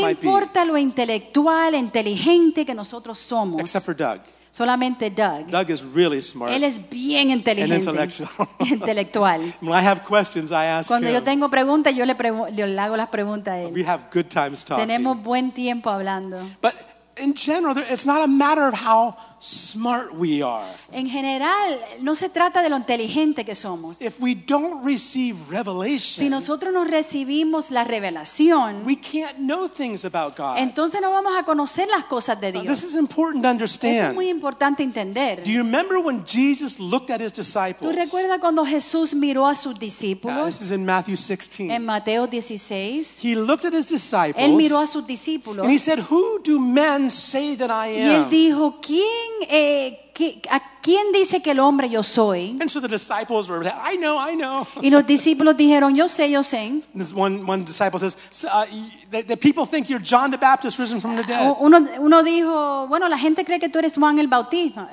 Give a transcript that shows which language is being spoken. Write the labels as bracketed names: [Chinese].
[English] might [Spanish] importa [English] be. [Spanish] Lo intelectual, inteligente que nosotros somos. [English] Except for Doug. [Spanish] Solamente Doug. [English] Doug is really smart. [Spanish] Él es bien inteligente. [English] And intellectual. [Spanish] Intelectual. [English] When I have questions, I ask [Spanish] Cuando [English] him. [Spanish] Yo tengo preguntas, yo le hago las preguntas a él. [English] We have good times talking. [Spanish] Tenemos buen tiempo hablando. [English] But in general, it's not a matter of how smart we are. [Spanish] En general, no se trata de lo inteligente que somos. [English] If we don't receive revelation, [Spanish] si nosotros no recibimos la revelación, [English] we can't know things about God. [Spanish] Entonces no vamos a conocer las cosas de Dios. [English] Now, this is important to understand. [Spanish] Es muy importante entender. [English] Do you remember when Jesus looked at his disciples? [Spanish] ¿Tú recuerdas cuando Jesús miró a sus discípulos? [English] Now, this is in Matthew 16. [Spanish] En Mateo 16. [English] He looked at his disciples. [Spanish] Él miró a sus discípulos. [English] And he said, "Who do men say that I am?" [Spanish] Y él dijo, ¿quién ¿a quién dice que el hombre yo soy? [English] And so the disciples were like, I know, I know. [Spanish] Y los discípulos dijeron, yo sé, yo sé. [English] One disciple says, the people think you're John the Baptist risen from the dead. [Spanish] Uno dijo, bueno, la gente cree que tú eres Juan el Bautista.